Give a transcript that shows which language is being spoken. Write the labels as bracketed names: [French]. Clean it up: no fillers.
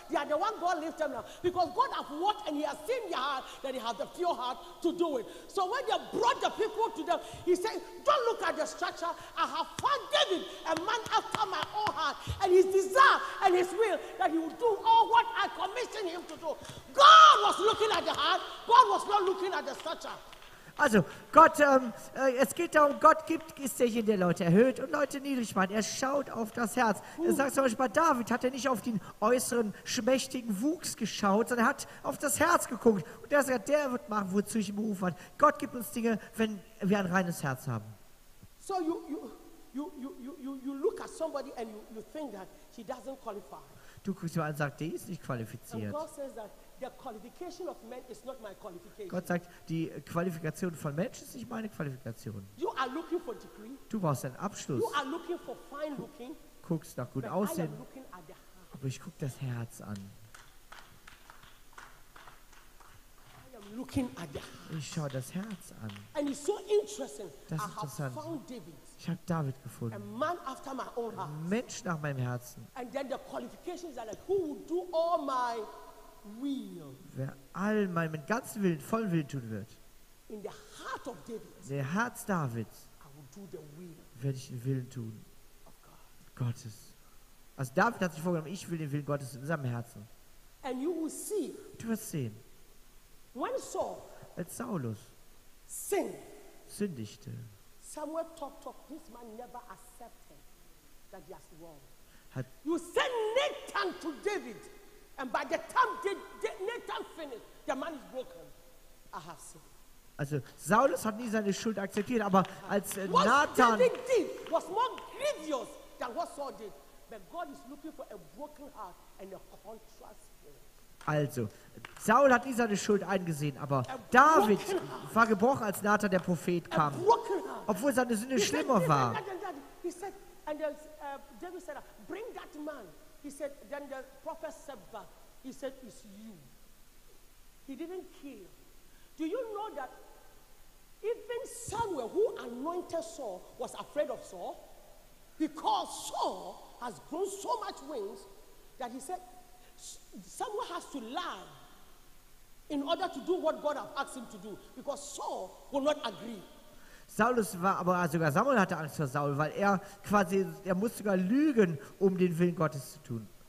[English] They are the one God lifts them up. Because God has watched and he has seen your heart, that he has the pure heart to do it. So when they brought the people to them, he said, don't look at the structure. I have found David, a man after my own heart, and his desire and his will, that he will do all what I commissioned him to do. God was looking at the heart. God was not looking at the structure. [German] Also, Gott, es geht darum, Gott gibt, ist derjenige, der Leute erhöht und Leute niedrig macht. Er schaut auf das Herz. Er sagt zum Beispiel bei David, hat er nicht auf den äußeren, schmächtigen Wuchs geschaut, sondern er hat auf das Herz geguckt. Und er sagt, der wird machen, wozu ich ihn berufen habe. Gott gibt uns Dinge, wenn wir ein reines Herz haben. [English] So, you look at somebody and you think that he doesn't qualify. [German] Du guckst jemanden an und sagst, der ist nicht qualifiziert. [English] The qualification of men is not my qualification. [German] Gott sagt, die Qualifikation von Menschen ist nicht meine Qualifikation. [English] You are looking for degree. [German] Du brauchst einen Abschluss. [English] You are looking for fine looking. [German] Guckst nach gut aussehen. [English] I am looking at the heart. [German] Aber ich gucke das Herz an. [English] I am looking at the heart. [German] Ich schaue das Herz an. [English] And it's so interesting. [German] Das ist interessant. [English] I have found David. [German] Ich habe David gefunden. [English] A man after my own heart. [German] Ein Mensch nach meinem Herzen. [English] And then the qualifications are like, who would do all my [German] wer all meinen ganzen Willen, vollen Willen tun wird, [English] in the heart of David, [German] der Herz Davids, [English] I will do the will, [German] werde ich den Willen tun [English] of God. [German] Gottes. Also David hat sich vorgenommen, ich will den Willen Gottes in seinem Herzen. [English] And you will see, [German] du wirst sehen, [English] when Saul, [German] als Saulus sündigte, [English] somewhere talk, this man never accepted that he has wrong. [German] Hat [English] you send Nathan to David. And by the time Nathan finished, the man is broken. I have seen. [German] Also Saulus hat nie seine Schuld akzeptiert, aber als Nathan [English] what David did was more grievous than what Saul did. But God is looking for a broken heart and a contrite spirit. [German] Also Saul hat nie seine Schuld eingesehen, aber David war gebrochen, als Nathan der Prophet kam, obwohl seine Sünde schlimmer war. [English] He said, and David said, bring that man. He said, then the prophet said back, he said, it's you. He didn't care. Do you know that even Samuel, who anointed Saul, was afraid of Saul? Because Saul has grown so much wings that he said, Samuel has to lie in order to do what God has asked him to do. Because Saul will not agree. [German] Saulus war, aber sogar Samuel hatte Angst vor Saul, weil er quasi, er musste sogar lügen, um den Willen Gottes zu tun.